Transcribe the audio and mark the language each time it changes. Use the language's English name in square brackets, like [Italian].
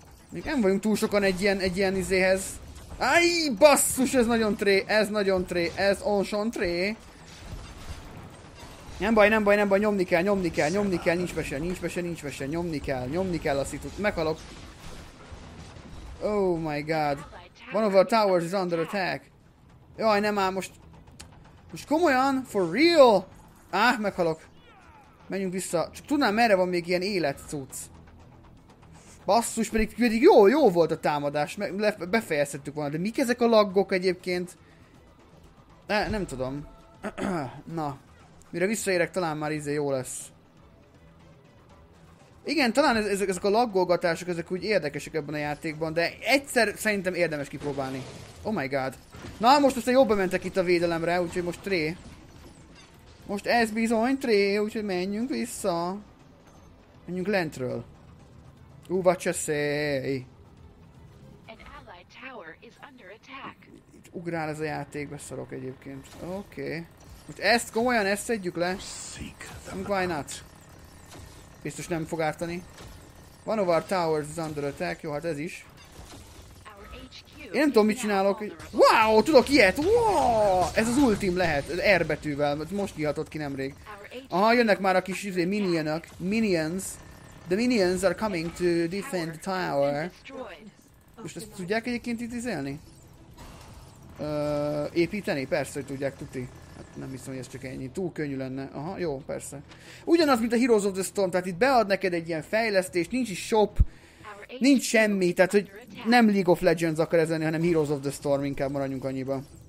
[Hungarian] Még nem vagyunk túl sokan egy ilyen izéhez. Ajj, basszus, ez nagyon tré. Nem baj, nyomni kell, nincs mese, nyomni kell a szitut. Meghalok. [English] Oh my god. One of our towers is under attack. [Hungarian] Jaj, nem áll, most... Most komolyan? [English] For real? [Hungarian] Áh, meghalok. Menjünk vissza. Csak tudnám, merre van még ilyen élet cucc. Basszus, pedig jó volt a támadás, befejezhettük volna, de mik ezek a laggok egyébként? Nem tudom. Na, mire visszaérek, talán már izé jó lesz. Igen, talán ezek a laggolgatások, ezek úgy érdekesek ebben a játékban, de egyszer szerintem érdemes kipróbálni. [English] Oh my god. [Hungarian] Na, most aztán jobban mentek itt a védelemre, úgyhogy most tré. Most ez bizony tré, úgyhogy menjünk vissza. Menjünk lentről. [English] What you say? An ally tower is under attack. [Hungarian] Itt ugrál ez a játék, beszarok egyébként. Oké. Most ezt komolyan, ezt szedjük le. [English] Why not? [Hungarian] Biztos nem fog ártani. [English] One of our towers is under attack. [Hungarian] Jó, hát ez is. Én nem tudom, mit csinálok. Wow, tudok ilyet. Wow, ez az ultim lehet. R betűvel. Most kihatott ki nemrég. Aha, jönnek már a kis minionok. [English] Minions. The minions are coming to defend the tower. [Hungarian] Most ezt tudják egyébként itt izélni? Építeni? Persze, hogy tudják, tuti. Nem hiszem, hogy ez csak ennyi. Túl könnyű lenne. Aha, jó, persze. Ugyanaz, mint a Heroes of the Storm, tehát itt bead neked egy ilyen fejlesztést, nincs is shop, nincs semmi, tehát hogy nem League of Legends akar ez lenni, hanem Heroes of the Storm, inkább maradjunk annyiba.